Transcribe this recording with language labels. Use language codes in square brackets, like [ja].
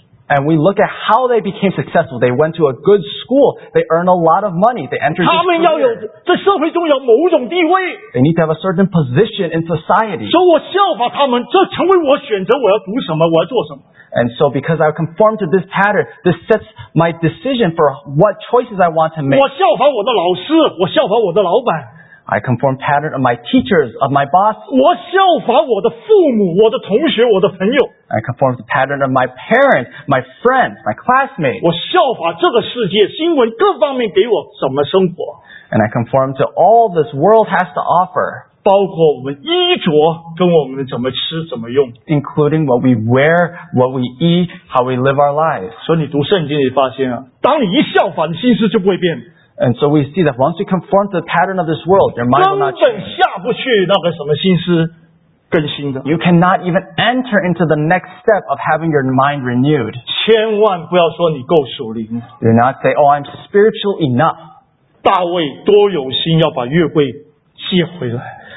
[en] And we look at how they became successful. They went to a good school. They earned a lot of money. They entered this career. [zh] 他们要有在社会中有某种地位。 [en] They need to have a certain position in society. [zh] 所以我效法他们，这成为我选择我要读什么，我要做什么。 [en] And so because I conform to this pattern, this sets my decision for what choices I want to make. [zh] 我效法我的老师, 我效法我的老板。 [en] I conform pattern of my teachers, of my boss. [zh] 我效法我的父母, 我的同学, 我的朋友。 [en] I conform the pattern of my parents, my friends, my classmates. [zh] 我效法这个世界, 新闻各方面给我怎么生活。 [en] And I conform to all this world has to offer. [zh] 包括我们衣着跟我们怎么吃怎么用， [en] including what we wear, what we eat, how we live our lives. [zh] 所以你读圣经你发现啊， 当你一效法你心思就不会变。 [en] And so we see that once you conform to the pattern of this world, your mind will not change. [zh] 根本下不去那个什么心思更新的。 [en] You cannot even enter into the next step of having your mind renewed. [zh] 千万不要说你够属灵。 [en] Do not say, oh, I'm spiritual enough. [zh] 大卫多有心要把约柜接回来。